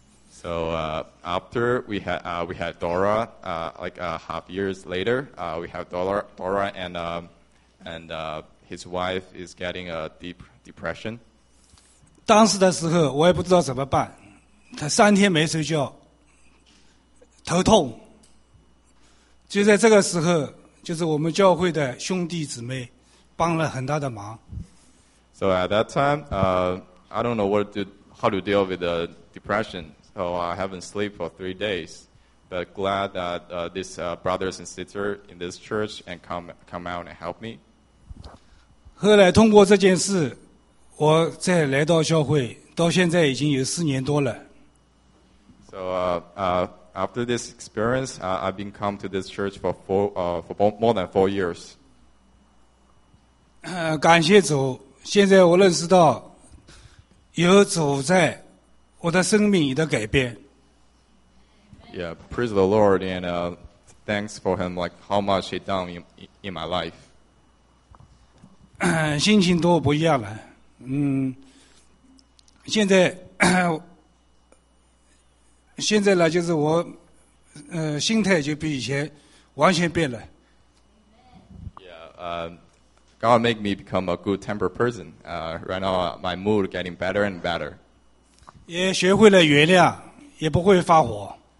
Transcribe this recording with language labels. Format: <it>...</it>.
<en>So after we had Dora, like a half years later, we have Dora and his wife is getting a deep depression.</en> <zh>当时的时候我也不知道怎么办，他三天没睡觉，头痛。就在这个时候，就是我们教会的兄弟姊妹帮了很大的忙。</zh> <en>So at that time, I don't know how to deal with the depression. So I haven't slept for 3 days, but glad that this brothers and sisters in this church and come out and help me.</en> <zh>后来通过这件事，我再来到教会，到现在已经有四年多了。</zh> <en>So after this experience, I've been come to this church for more than 4 years.</en> <zh>感谢主，现在我认识到有主在。我的生命的改变。</zh> <en>Yeah, praise the Lord and thanks for him, like how much he done in my life.</en> <zh>心情都不一样了，现在现在呢，就是我心态就比以前完全变了。</zh> <en>Yeah, God make me become a good tempered person. Right now, my mood getting better and better.</en> <zh>也学会了原谅，也不会发火。</zh>